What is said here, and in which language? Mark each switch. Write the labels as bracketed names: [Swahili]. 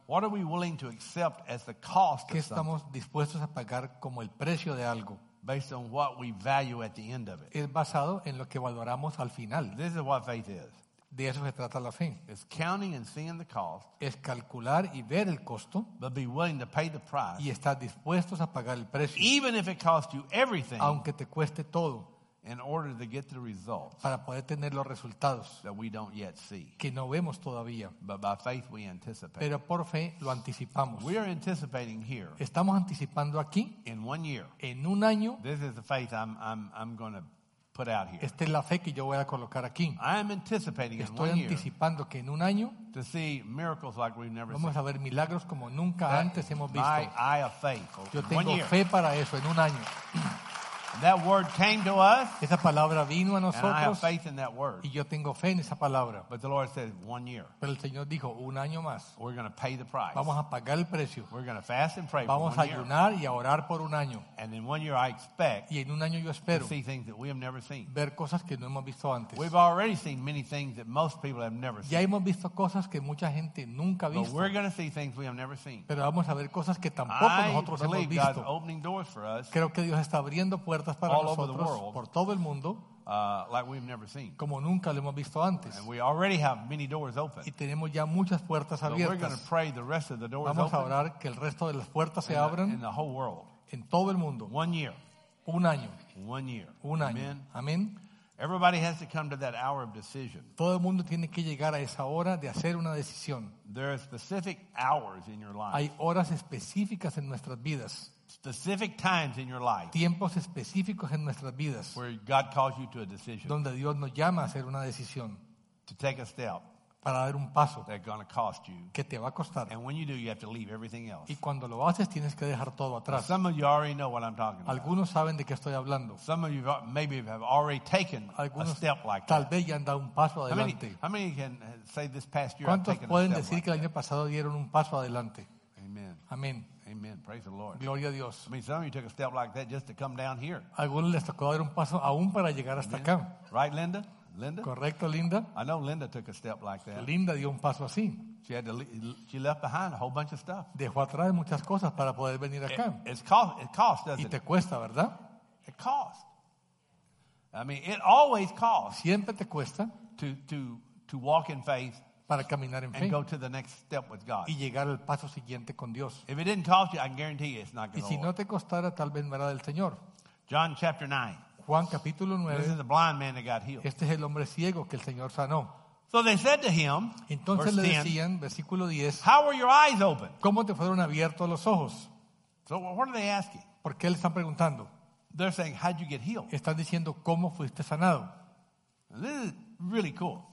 [English] What are we willing to accept as the cost of something? [Spanish] ¿Qué estamos dispuestos a pagar como el precio de algo? [English] Based on what we value at the end of it. [Spanish] Es basado en lo que valoramos al final. [English] This is what faith is. [Spanish] De eso se trata la fe. [English] It's counting and seeing the cost. [Spanish] Es calcular y ver el costo. [English] But be willing to pay the price. [Spanish] Y estar dispuestos a pagar el precio. [English] Even if it costs you everything. [Spanish] Aunque te cueste todo. [English] In order to get the results, [Spanish] para poder tener los resultados [English] that we don't yet see, [Spanish] que no vemos todavía, [English] but by faith we anticipate. [Spanish] Pero por fe lo anticipamos. [English] We are anticipating here. [Spanish] Estamos anticipando aquí. [English] In 1 year, [Spanish] en un año. [English] This is the faith I'm going to put out here. [Spanish] Esta es la fe que yo voy a colocar aquí. [English] I am anticipating [Spanish] Estoy [English] in 1 year. [Spanish] Estoy anticipando que en un año [English] to see miracles like we've never [Spanish] vamos [English] seen. [Spanish] A ver milagros como nunca [English] that [Spanish] antes hemos visto. [English] My eye of faith. [Spanish] Yo tengo fe para eso en un año. [English] That word came to us. [Spanish] Esa palabra vino a nosotros. [English] And I have faith in that word. [Spanish] Y yo tengo fe en esa palabra. [English] But the Lord said, 1 year. [Spanish] Pero el Señor dijo, un año más. [English] We're going to pay the price. [Spanish] Vamos a pagar el precio. [English] We're going to fast and pray [Spanish] Vamos [English] for 1 year. [Spanish] Vamos a ayunar y a orar por un año. [English] And in 1 year I expect. [Spanish] Y en un año yo espero. [English] To see things that we have never seen. [Spanish] Ver cosas que no hemos visto antes. [English] We've already seen many things that most people have never seen. [Spanish] Ya hemos visto cosas que mucha gente nunca ha visto. [English] But we're going to see things we have never seen. [Spanish] Pero vamos a ver cosas que tampoco [English] I [Spanish] nosotros hemos visto. [English] I believe God's opening doors for us. [Spanish] Creo que Dios está abriendo puertas. [English] All over the world, [Spanish] por todo el mundo, [English] like we've never seen. [Spanish] Como nunca lo hemos visto antes. [English] And we already have many doors open. [Spanish] Y tenemos ya muchas puertas abiertas. [English] So we're going to pray the rest of the doors [Spanish] Vamos [English] open. [Spanish] A orar que el resto de las puertas se abran [English] in the whole world. [Spanish] En todo el mundo. [English] 1 year. [Spanish] Un año. [English] 1 year. [Spanish] Un año. Amen. Amen. [English] Everybody has to come to that hour of decision. [Spanish] Todo el mundo tiene que llegar a esa hora de hacer una decisión. [English] There are specific hours in your life. [Spanish] Hay horas específicas en nuestras vidas. [English] Specific times in your life. [Spanish] Tiempos específicos en nuestras vidas. [English] Where God calls you to a decision. [Spanish] Donde Dios nos llama a hacer una decisión. [English] To take a step. [Spanish] Para dar un paso. [English] That's going to cost you. [Spanish] Que te va a costar. [English] And when you do, you have to leave everything else. [Spanish] Y cuando lo haces, tienes que dejar todo atrás. [English] Now, some of you already know what I'm talking about. [Spanish] Algunos saben de qué estoy hablando. [English] Some of you maybe have already taken [Spanish] Algunos [English] a step like [Spanish] tal [English] that. [Spanish] Vez ya han dado un paso adelante. [English] How many can say this past year? [Spanish] ¿Cuántos pueden [English] taken a [Spanish] decir [English] step [Spanish] que [English] like [Spanish] el año pasado dieron un paso adelante? Amen. Amen. [English] Amen. Praise the Lord. [Spanish] Gloria a Dios. [English] I mean, some of you took a step like that just to come down here. [Spanish] Algunos les tocó dar un paso aún para llegar hasta acá. [English] Right, Linda? Linda? [Spanish] Correcto, Linda. [English] I know Linda took a step like that. [Spanish] Linda dio un paso así. [English] She left behind a whole bunch of stuff. [Spanish] Dejó atrás muchas cosas para poder venir acá. [English] It costs, doesn't it? [Spanish] Y te cuesta, ¿verdad? [English] It costs. I mean, it always costs. [Spanish] Siempre te cuesta. [English] To walk in faith. [Spanish] Para caminar en fe. [English] And go to the next step with God. [Spanish] Y llegar al paso siguiente con Dios. [English] If it didn't cost you, I guarantee you it's not going to work. [Spanish] Y si no te costara, tal vez no era del Señor. [English] John chapter 9. [Spanish] Juan capítulo 9. [English] This is the blind man that got healed. [Spanish] Este es el hombre ciego que el Señor sanó. [English] So they said to him, [Spanish] entonces le decían, versículo 10, [English] how were your eyes open? [Spanish] ¿Cómo te fueron abiertos los ojos? [English] So what are they asking? [Spanish] ¿Por qué le están preguntando? [English] They're saying, how'd you get healed? [Spanish] Están diciendo, ¿cómo fuiste sanado? [English] This is really cool.